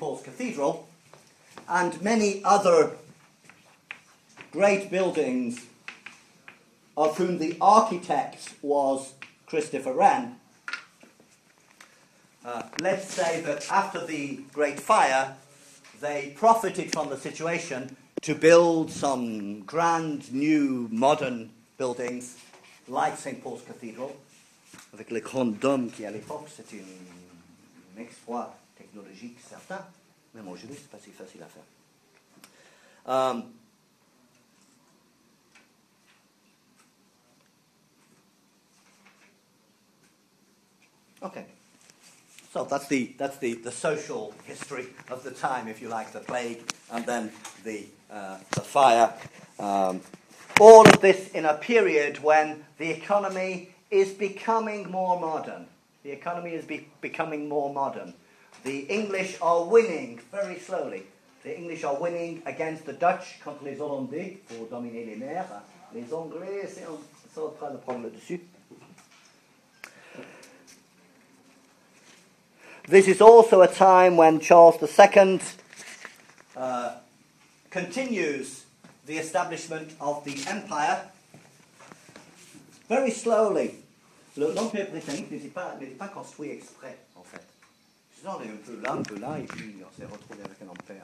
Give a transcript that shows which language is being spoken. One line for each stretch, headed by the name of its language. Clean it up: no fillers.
English: Paul's Cathedral, and many other great buildings, of whom the architect was Christopher Wren. Let's say that after the Great Fire, they profited from the situation to build some grand, new, modern buildings, like St. Paul's Cathedral,
French: avec le grand dôme qui à l'époque c'est un exploit technologique certain, mais moi je dis c'est pas si facile à faire.
English: Okay, so that's the social history of the time, if you like, the plague and then the fire. All of this in a period when the economy is becoming more modern. The economy is becoming more modern. The English are winning very slowly. The English are winning against the Dutch
French: contre les Hollandais pour dominer les mers. Les Anglais sont en train de prendre le dessus.
English: This is also a time when Charles II continues the establishment of the empire very slowly.
French: L'Empire britannique n'était pas construit exprès, en fait. Sinon, il est un peu là, et puis on s'est retrouvé avec un empire.